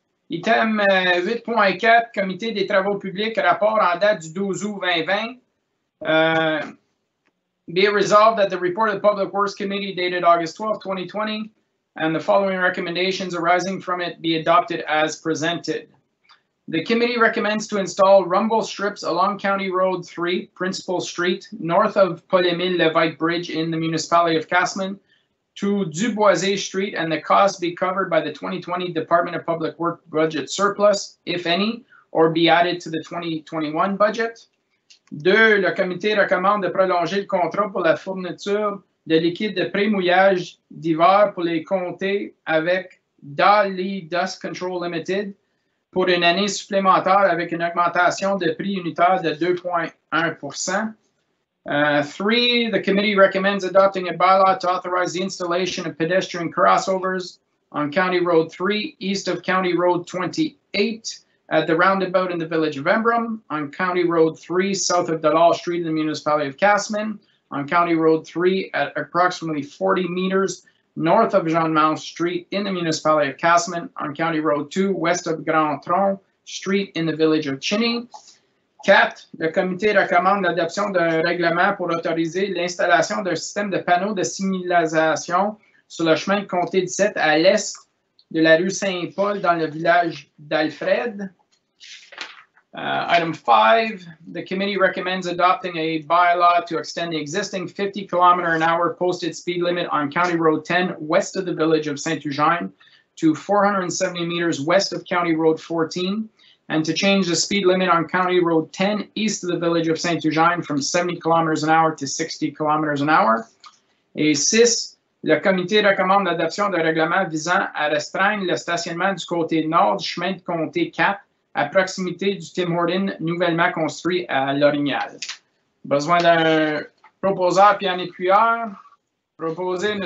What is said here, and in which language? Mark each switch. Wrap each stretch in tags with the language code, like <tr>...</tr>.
<fr>Item 8.4, Comité des travaux publics, rapport en date du 12 août 2020.</fr> <en>Be resolved that the report of the Public Works Committee dated August 12, 2020 and the following recommendations arising from it be adopted as presented. The committee recommends to install rumble strips along County Road 3, Principal Street, north of Paul-Émile-Lévesque Bridge in the municipality of Casman, to Duboisé Street, and the cost be covered by the 2020 Department of Public Works budget surplus, if any, or be added to the 2021 budget.</en> <fr>Deux, le comité recommande de prolonger le contrat pour la fourniture de liquide de pré-mouillage d'hiver pour les comtés avec Dali Dust Control Limited pour une année supplémentaire avec une augmentation de prix unitaire de 2,1%.</fr> <en>Three, the committee recommends adopting a bylaw to authorize the installation of pedestrian crossovers on County Road 3, east of County Road 28, at the roundabout in the village of Embrum, on County Road 3, south of Dalal Street in the municipality of Casman, on County Road 3, at approximately 40 meters north of Jean Mount Street in the municipality of Casman, on County Road 2, west of Grand Tron Street in the village of Chiny.</en> <fr>Quatre, le comité recommande l'adoption d'un règlement pour autoriser l'installation d'un système de panneaux de signalisation sur le chemin de comté 17 à l'est de la rue Saint-Paul dans le village d'Alfred.</fr> <en>Item 5, the committee recommends adopting a bylaw to extend the existing 50 km/h posted speed limit on County Road 10 west of the village of Saint-Eugène to 470 meters west of County Road 14. And to change the speed limit on County Road 10 east of the village of Saint-Eugène from 70 km/h to 60 km/h.</en> <fr>Et 6, le comité recommande l'adoption d'un règlement visant à restreindre le stationnement du côté nord du chemin de comté 4 à proximité du Tim Horton nouvellement construit à L'Orignal. Besoin d'un proposeur puis un appuyeur. Proposé M.</fr>